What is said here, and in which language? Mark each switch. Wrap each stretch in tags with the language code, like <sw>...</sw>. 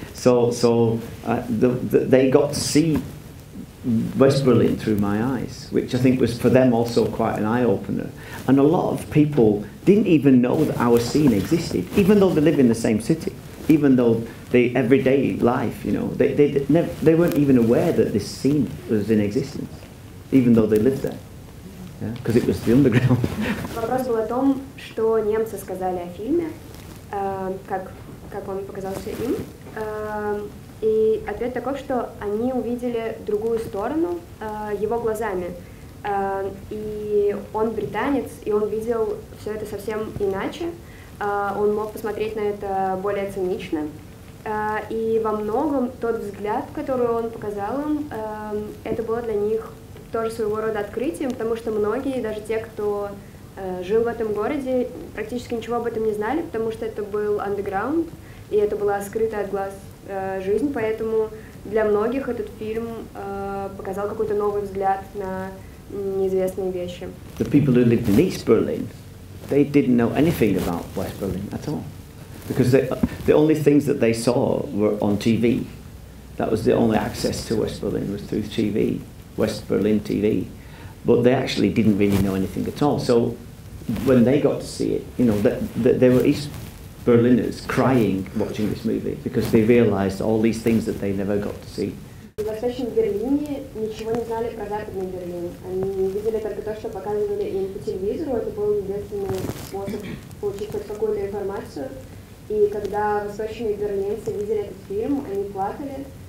<en>So they got to see West Berlin through my eyes, which I think was for them also quite an eye opener. And a lot of people didn't even know that our scene existed, even though they live in the same city, even though they everyday life. You know, they weren't even aware that this scene was in existence. Even though they lived there. Yeah, because it was the underground.</en> <ru>Вопрос был о том, что немцы сказали о фильме, как он показался им. И ответ такой, что они увидели другую сторону его глазами. И он британец, и он видел все это совсем иначе. Он мог посмотреть на это более цинично. И во многом тот взгляд, который он показал им, это было для них тоже своего рода открытием, потому что многие, даже те, кто жил в этом городе, практически ничего об этом не знали, потому что это был андеграунд, и это была скрытая от глаз жизнь, поэтому для многих этот фильм показал какой-то новый взгляд на неизвестные вещи.</ru> <en>The people who lived in East Berlin, they didn't know anything about West Berlin at all. Because the only things that they saw were on TV. That was the only access to West Berlin, was through TV. West Berlin TV, but they actually didn't really know anything at all. So when they got to see it, you know, that there were East Berliners crying watching this movie because they realized all these things that they never got to see.</en> <ru>В Восточном Берлине ничего не знали про Западный Берлин. Они видели только то, что показывали им по телевизору. Это был единственный способ получить хоть какую-то информацию. И когда восточные берлинцы видели этот фильм, они плакали.</ru>